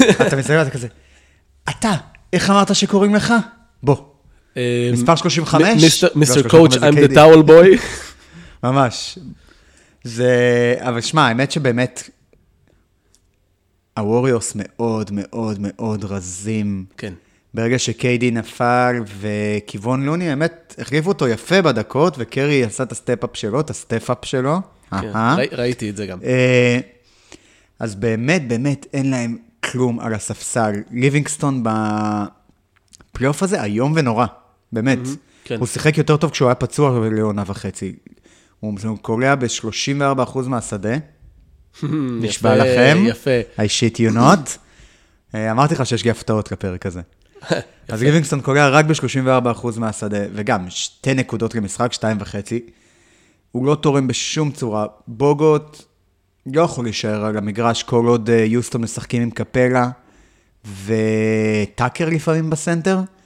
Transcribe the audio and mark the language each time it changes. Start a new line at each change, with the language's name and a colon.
Hebrew: אתה מסתכל, אתה כזה, אתה, איך אמרת שקוראים לך? בוא, מספר 35? מיסטר קואץ',
English: I'm the towel boy.
Hebrew: ממש. זה, אבל שמע, האמת שבאמת, הווריורס מאוד מאוד מאוד רזים. כן. ברגע שקיידי נפל וכיוון לוני, האמת, החליפו אותו יפה בדקות, וקרי עשה את הסטפ-אפ שלו, את הסטפ-אפ שלו. כן, ראיתי את זה גם. אז באמת, באמת, אין להם כלום על הספסל. ליבינגסטון בפלייאוף הזה, היום ונורא. באמת. כן. הוא שיחק יותר טוב כשהוא היה פצוע לעונה וחצי. הוא קולע ב-34% מהשדה. נשבע לכם,
English: I shit you not.
Hebrew: אמרתי לך שיש לי הפתעות לפרק הזה. אז ליבינגסטון קולע רק ב-34% מהשדה, וגם שתי נקודות למשחק, 2.5. הוא לא תורם בשום צורה. בוגוט לא יכול להישאר על המגרש כל עוד יוסטון משחקים עם קפלה, וטאקר לפעמים בסנטר.